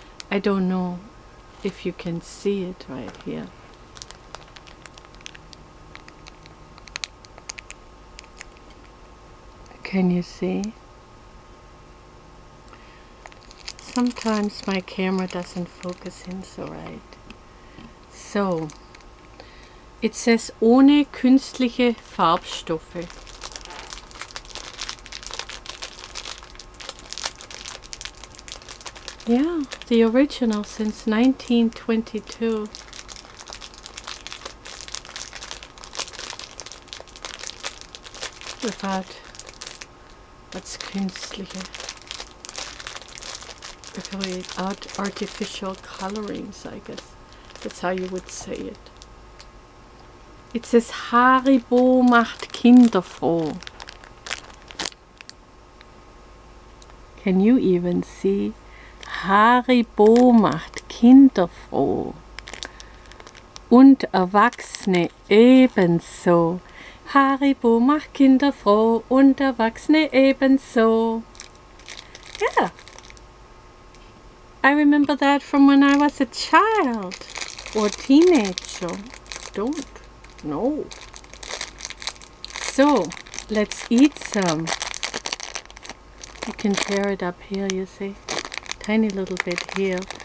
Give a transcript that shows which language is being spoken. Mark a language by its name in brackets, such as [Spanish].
[English] I don't know if you can see it right here. Can you see? Sometimes my camera doesn't focus in so right. So, it says [German] ohne künstliche Farbstoffe. [English] Yeah, the original since 1922. Without what's künstliche. Without artificial colorings, I guess. That's how you would say it. It says [German] Haribo macht Kinder froh. [English] Can you even see? [German] Haribo macht Kinder froh und Erwachsene ebenso. Haribo macht Kinder froh und Erwachsene ebenso. [English] Yeah. I remember that from when I was a child or teenager. Don't know. So, let's eat some. You can tear it up here, you see. Tiny little bit here.